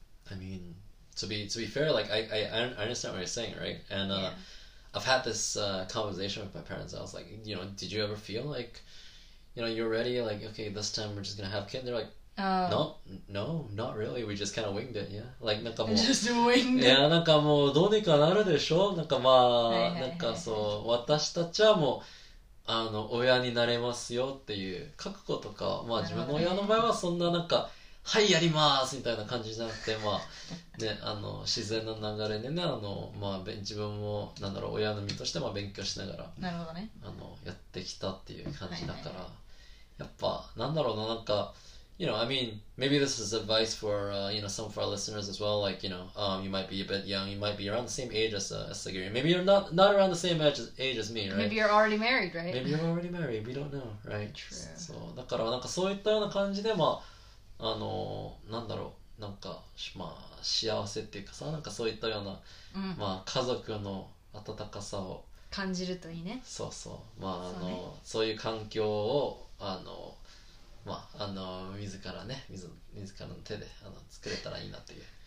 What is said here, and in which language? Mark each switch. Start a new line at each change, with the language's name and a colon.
English: I mean, to be fair, like I understand what you're saying, right? And I've had this conversation with my parents. I was like, you know, did you ever feel like, you know, you're ready? Like, okay, this time we're just gonna have a kid. They're like, no, not really. We just kind of winged it. Yeah, like,
Japanese: なんかもう
English: just winged
Japanese: it. いや、なんかもうどうにかなるでしょ。なんかまあ、はいはいはいはい、なんかそう、私たちはもうあの親になれますよっていう覚悟とか、まあ自分の親の場合はそんななんか。はい、やりますみたいな感じじゃなくて、まあね、あの自然の流れでね、あの、まあ、自分もなんだろう、親の身としても勉強しながら、なるほどね、あのやってきたっていう感じだから、はいはいはい、やっぱなんだろうな、なんか
English: you know, I mean, maybe this is advice for you know, some of our listeners as well, like, you know, you might be a bit young, you might be around the same age as Sagiri, maybe you're not around the same age as me, right? Maybe you're already married, right? Maybe you're already married, we don't know, right? True.
Japanese: そう、だからなんかそういったような感じで、まああの、なんだろう、なんか幸せっていうかさ、なんかそういったような、うん、まあ家族の温かさを感じるといいね。そうそう、まあ、あの、そうね、そういう環境をまあ、自らね、自らの手で作れたらいいなっていう。